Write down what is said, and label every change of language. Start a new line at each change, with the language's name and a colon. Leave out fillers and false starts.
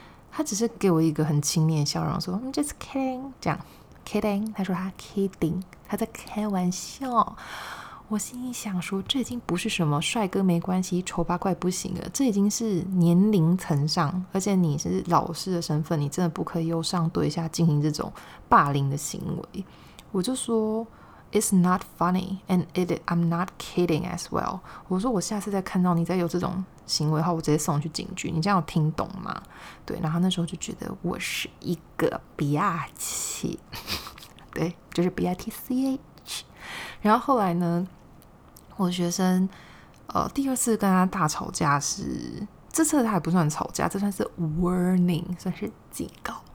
Chinese: 他只是给我一个很轻蔑的笑容，说
English: I'm just kidding，
Chinese: 这样 kidding， 他说他 kidding， 他在开玩笑。我心里想说，这已经不是什么帅哥没关系，丑八怪不行了，这已经是年龄层上，而且你是老师的身份，你真的不可以由上对下进行这种霸凌的行为。我就说
English: It's not funny and I'm not kidding as well.
Chinese: 我说我下次再看到你再有这种行为的话，我直接送你去警局，你这样有听懂吗？对，然后那时候就觉得我是一个 biatch， 对，就是 biatch。然后后来呢，我学生第二次跟他大吵架是，这次他也不算吵架，这算是 warning， 算是警告。